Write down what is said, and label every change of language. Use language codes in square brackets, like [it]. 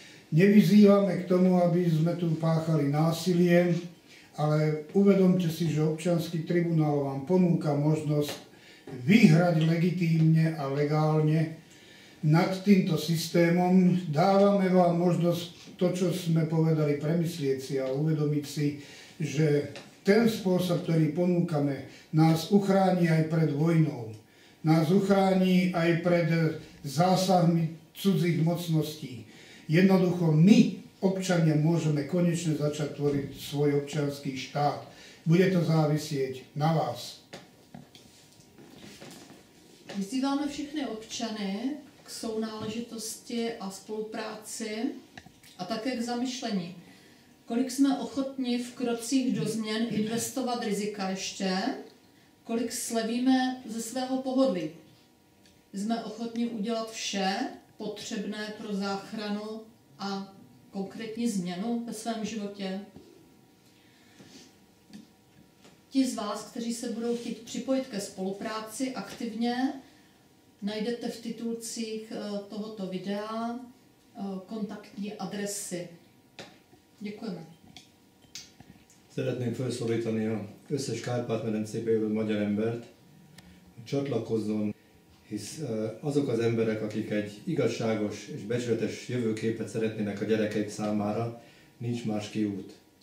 [sk] Nevyzývame k tomu, aby sme tu páchali násilie, ale uvedomte si, že občiansky tribunál vám ponúka možnosť vyhrať legitímne a legálne nad týmto systémom. Dávame vám možnosť to, čo sme povedali, premyslieť si a uvedomiť si, že ten spôsob, ktorý ponúkame, nás uchrání aj pred vojnou. Nás uchrání aj pred zásahmi cudzích mocností. Jednoducho my, občania, môžeme konečne začať tvoriť svoj občianský štát. Bude to závisieť na vás. [cs] Vyzýváme všechny občany k sounáležitosti a spolupráci a také k zamyšlení. Kolik jsme ochotni v krocích do změn investovat rizika ještě? Kolik slevíme ze svého pohodlí? Jsme ochotni udělat vše potřebné pro záchranu a konkrétní změnu ve svém životě? Ti z vás, kteří se budou chtít připojit ke spolupráci aktivně, najdete v titulcích tohoto videa kontaktní adresy. Děkujeme. [hu] Szeretném felszólítani a összes Kárpát-medencébe jövő magyar embert, hogy csatlakozzon, hisz azok az emberek, akik egy igazságos és becsületes jövőképet szeretnének a gyerekeik számára, nincs más kiút.